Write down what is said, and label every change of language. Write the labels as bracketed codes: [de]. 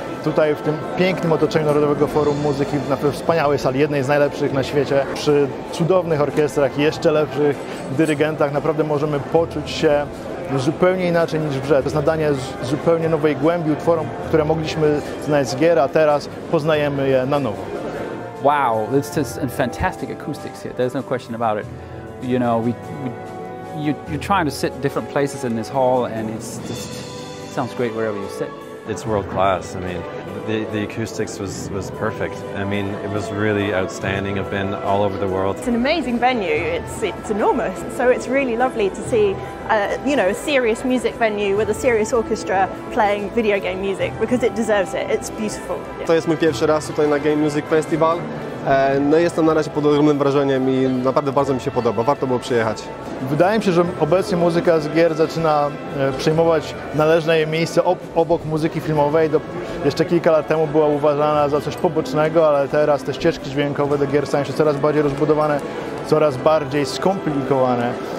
[pl] Tutaj w tym pięknym otoczeniu Narodowego Forum Muzyki, na pewno wspaniałej sali, jednej z najlepszych na świecie, przy cudownych orkiestrach, jeszcze lepszych dyrygentach, naprawdę możemy poczuć się zupełnie inaczej niż w grze. To jest nadanie zupełnie nowej głębi utworom, które mogliśmy znać z gier, a teraz poznajemy je na nowo. [en] Wow, it's just a fantastic acoustics here, there's no question about it. You know, you're trying to sit different places in this hall, and it's just sounds great wherever you sit. It's world class. I mean, the acoustics was perfect. I mean, it was really outstanding. I've been all over the world. It's an amazing venue. It's enormous. So it's really lovely to see, a serious music venue with a serious orchestra playing video game music because it deserves it. It's beautiful. Yeah. [pl] To jest mój pierwszy raz tutaj na Game Music Festival. No jestem na razie pod ogromnym wrażeniem i naprawdę bardzo mi się podoba, warto było przyjechać. Wydaje mi się, że obecnie muzyka z gier zaczyna przejmować należne jej miejsce obok muzyki filmowej. Jeszcze kilka lat temu była uważana za coś pobocznego, ale teraz te ścieżki dźwiękowe do gier stają się coraz bardziej rozbudowane, coraz bardziej skomplikowane.